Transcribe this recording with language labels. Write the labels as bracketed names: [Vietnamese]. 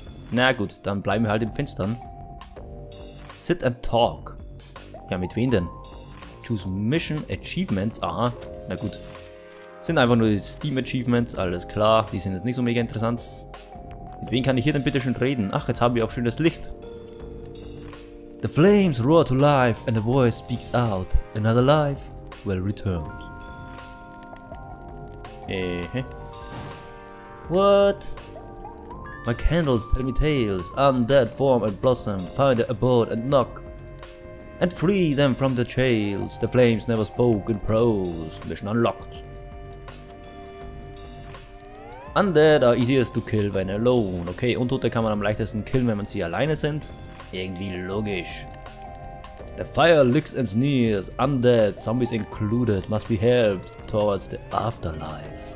[German] Na gut, dann bleiben wir halt im Finstern. [English] Sit and talk. [German] Ja, mit wem denn? [English] Choose Mission Achievements. [German] Aha, na gut. Sind einfach nur die Steam Achievements, alles klar. Die sind jetzt nicht so mega interessant. Mit wem kann ich hier denn bitte schön reden? Ach, jetzt haben wir auch schönes Licht. [English] The flames roar to life and the voice speaks out. Another life will return. What? My candles tell me tales. Undead form and blossom. Find their abode and knock. And free them from the jails. The flames never spoke in prose. Mission unlocked. Undead are easiest to kill when alone. [German] Okay, Untote kann man am leichtesten killen, wenn man sie alleine sind. Irgendwie logisch. [English] The fire licks and sneers. Undead, zombies included, must be helped towards the afterlife.